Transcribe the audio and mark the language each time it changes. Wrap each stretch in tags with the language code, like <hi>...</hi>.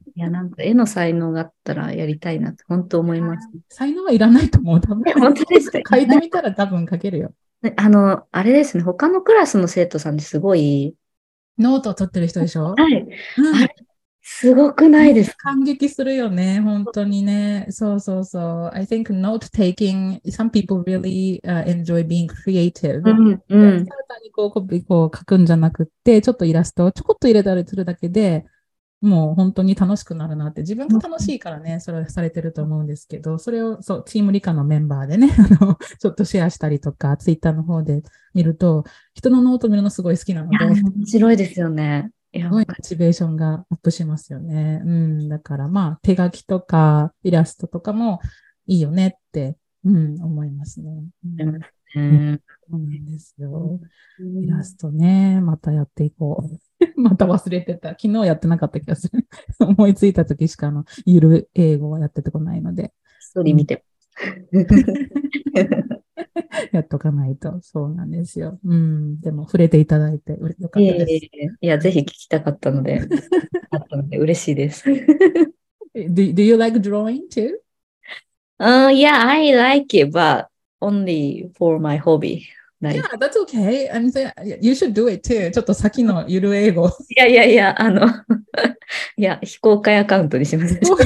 <ja>いや、なんか絵の才能があったらやりたいなって本当思います、ね。才能はいらないと思う。多分本当ですか。書いてみたら多分書けるよ。あの、あれですね、他のクラスの生徒さんですごい。ノートを取ってる人でしょ？はい。うん、すごくないですか？感激するよね、本当にね。そうそうそう。</ja> <en>I think note taking, some people really、enjoy being creative.</en> <ja>うん、うん、簡単にこう、コピーこう書くんじゃなくて、ちょっとイラストをちょこっと入れたりするだけでもう本当に楽しくなるなって、自分が楽しいからね、それをされてると思うんですけど、それをそうチーム理科のメンバーでね、ちょっとシェアしたりとか、ツイッターの方で見ると、人のノート見るのすごい好きなので。面白いですよね。すごいモチベーションがアップしますよね。うん、だからまあ手書きとかイラストとかもいいよねって、うん、思いますね。うん、そうなんですよ。イラストね、またやっていこう。また忘れてた。昨日やってなかった気がする。思いついた時しかのゆる英語はやっててこないので。それ見て。やっとかないと。そうなんですよ、うん、でも触れていただいてよかったです。いやぜひ聞きたかったので、あったので嬉しいです。</ja> <en>Do you like drawing too? Yeah, I like it, but only for my hobby. Nice. Yeah, that's okay. I mean, you should do it too.</en> <ja>ちょっと先のゆる英語。いやいやいや、あの、いや、非公開アカウントにします。</ja>